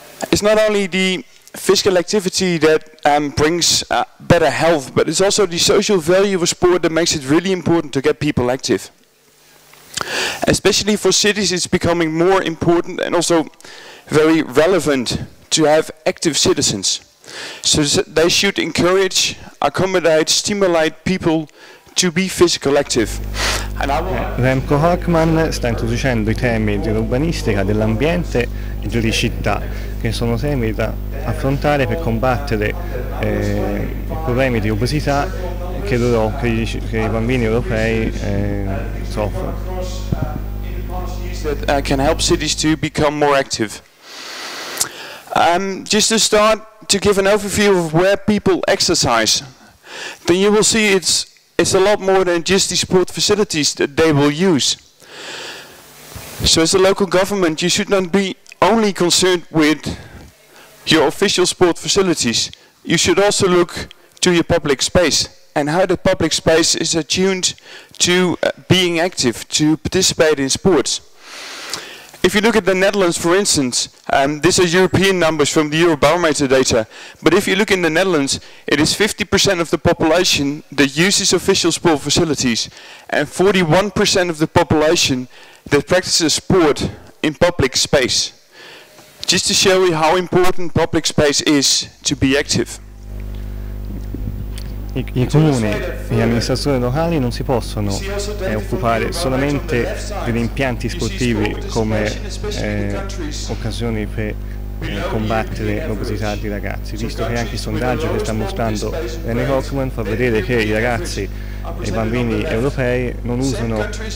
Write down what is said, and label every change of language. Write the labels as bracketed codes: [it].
[en] It's not only the physical activity that brings better health, but it's also the social value of a sport that makes it really important to get people active. Especially for cities, it's becoming more important and also very relevant to have active citizens. So they should encourage, accommodate, stimulate people to be physical active. [it] Remco Hockman sta introducendo i temi dell'urbanistica, dell'ambiente e delle città, che sono temi da affrontare per combattere i problemi di obesità che i bambini europei soffrono. [en] That can help cities to become more active. Just to start, to give an overview of where people exercise, then you will see it's a lot more than just the sport facilities that they will use. So as a local government, you should not be only concerned with your official sport facilities. You should also look to your public space and how the public space is attuned to being active, to participate in sports. If you look at the Netherlands, for instance, this is European numbers from the Eurobarometer data, but if you look in the Netherlands, it is 50% of the population that uses official sport facilities, and 41% of the population that practices sport in public space. Just to show you how important public space is to be active. [it] I comuni, le amministrazioni locali non si possono occupare solamente degli impianti sportivi come occasioni per combattere l'obesità di ragazzi, visto che anche il sondaggio che sta mostrando René Hockman fa vedere che i ragazzi e i bambini europei non usano